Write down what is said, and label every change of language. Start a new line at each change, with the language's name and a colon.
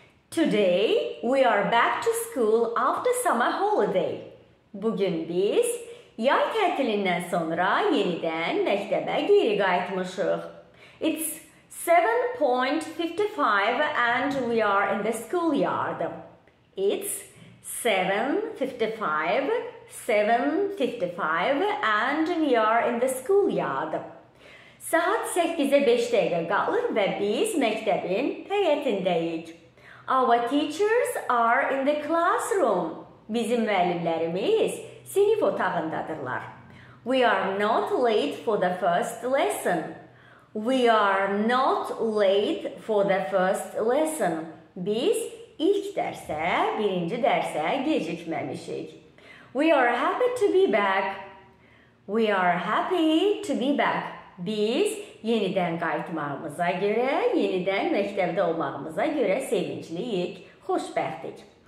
English: Today we are back to school after summer holiday.
Azerbaijani: Bugün biz yay tətilindən sonra yenidən məktəbə geri qayıtmışıq.
English: It's 7:55 and we are in the schoolyard. It's 7:55 and we are in the schoolyard.
Azerbaijani: Saat 8:05 dəqiqə qalır və biz məktəbin həyətindəyik.
English: Our teachers are in the classroom.
Azerbaijani: Bizim müəllimlərimiz sinif otağındadırlar.
English: We are not late for the first lesson. We are not late for the first lesson.
Azerbaijani: Biz ilk dərsə, birinci dərsə gecikməmişik.
English: We are happy to be back. We are happy to be back.
Azerbaijani: Biz yenidən qayıtmağımıza görə, yenidən məktəbdə olmağımıza görə sevincliyik, xoşbəxtik.